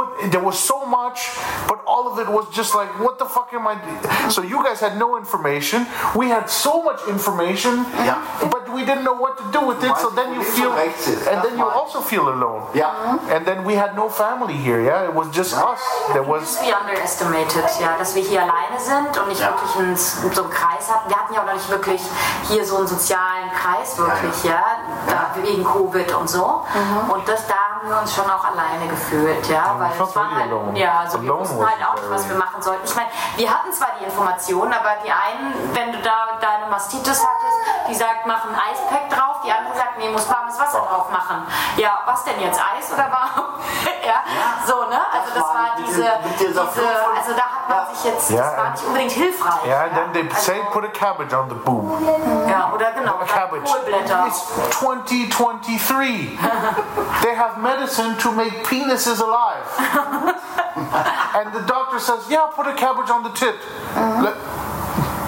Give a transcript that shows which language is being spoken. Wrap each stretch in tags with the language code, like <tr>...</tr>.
<en>There was so much, but all of it was just like, what the fuck am I doing? So you guys had no information. We had so much information, but we didn't know what to do with it. So then you feel, and then you also feel alone. Yeah. Mm-hmm. And then we had no family here, yeah? It was just us. There was. We underestimated, yeah, that we here</en> <de>alleine sind. Und nicht wirklich so einen Kreis hatten. Wir hatten ja auch noch nicht wirklich hier so einen sozialen Kreis, wirklich, ja. Da wegen Covid und so. Mhm. Und das, da haben wir uns schon auch alleine gefühlt, ja. Weil es war halt, ja, also wir wussten halt auch nicht, was wir machen sollten. Ich meine, wir hatten zwar die Informationen, aber die einen, wenn du da deine Mastitis hattest, die sagt, mach ein Eispack drauf. Die andere sagt, nee, muss warmes Wasser drauf machen. Ja, was denn jetzt, Eis oder warm? Ja, so, ne? Also das war diese also da hat man sich jetzt, das war nicht unbedingt hilfreich.</de> <en>Yeah, and then they say put a cabbage on the boob.</en> <de>Yeah, oder genau.</de> <en>A cabbage.</en> <de>Kohlblätter.</de> <en>It's 2023. They have medicine to make penises alive. And the doctor says, yeah, put a cabbage on the tit. Mm-hmm.</en>